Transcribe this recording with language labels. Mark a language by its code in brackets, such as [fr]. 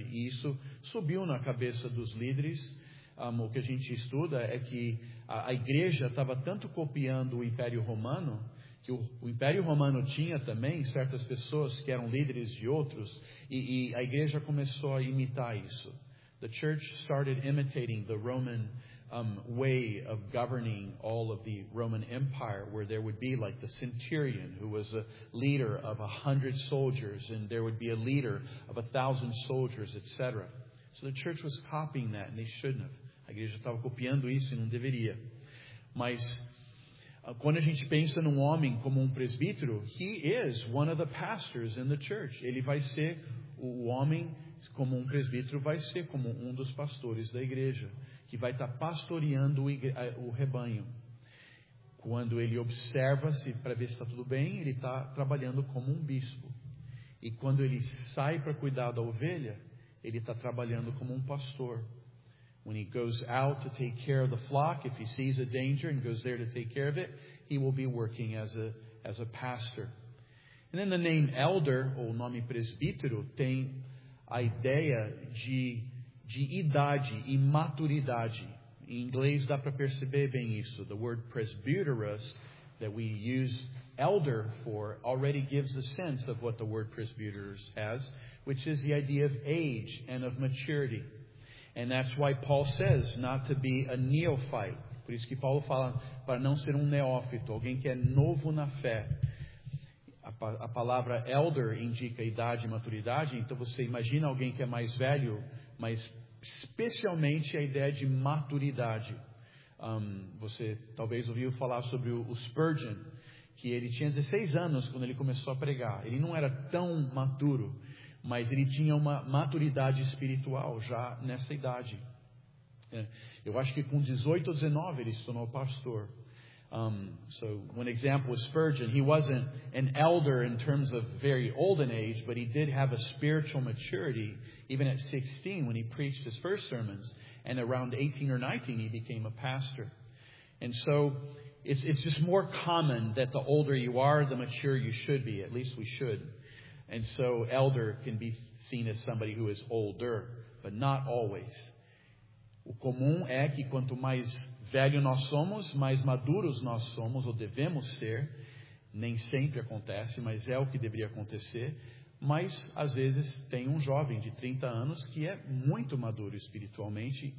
[pt] E isso subiu na cabeça dos líderes. O que a gente estuda é que a igreja estava tanto copiando o Império Romano, que o Império Romano tinha também certas pessoas que eram líderes de outros, e a igreja começou a imitar isso. [en] The church started imitating the Roman way of governing all of the Roman Empire, where there would be like the centurion, who was a leader of 100 soldiers, and there would be a leader of 1,000 soldiers, etc. So the church was copying that, and they shouldn't have. [pt] A igreja estava copiando isso e não deveria. Mas quando a gente pensa num homem como um presbítero, [en] he is one of the pastors in the church. [pt] Ele vai ser o homem, como um presbítero, vai ser como um dos pastores da igreja, que vai estar pastoreando o rebanho. Quando ele observa-se para ver se está tudo bem, ele está trabalhando como um bispo. E quando ele sai para cuidar da ovelha, ele está trabalhando como um pastor. [en] When he goes out to take care of the flock, if he sees a danger and goes there to take care of it, he will be working as a pastor. And then the name elder, [pt] ou nome presbítero, tem a ideia de idade e maturidade. Em inglês dá para perceber bem isso. [en] The word presbyteros that we use elder for already gives a sense of what the word presbyteros has, which is the idea of age and of maturity. And that's why Paul says not to be a neophyte. [pt] Por isso que Paulo fala para não ser um neófito, alguém que é novo na fé. A palavra elder indica idade e maturidade, então você imagina alguém que é mais velho, mas especialmente a ideia de maturidade. Você talvez ouviu falar sobre o Spurgeon, que ele tinha 16 anos quando ele começou a pregar. Ele não era tão maturo, mas ele tinha uma maturidade espiritual já nessa idade. Eu acho que com 18 ou 19 ele se tornou pastor. [en] So one example is Spurgeon. He wasn't an elder in terms of very old in age, but he did have a spiritual maturity even at 16 when he preached his first sermons, and around 18 or 19 he became a pastor. And so it's just more common that the older you are, the mature you should be, at least we should. And so elder can be seen as somebody who is older, but not always. [pt] O comum é que quanto mais velho nós somos, mais maduros nós somos, ou devemos ser. Nem sempre acontece, mas é o que deveria acontecer. Mas, às vezes, tem um jovem de 30 anos que é muito maduro espiritualmente.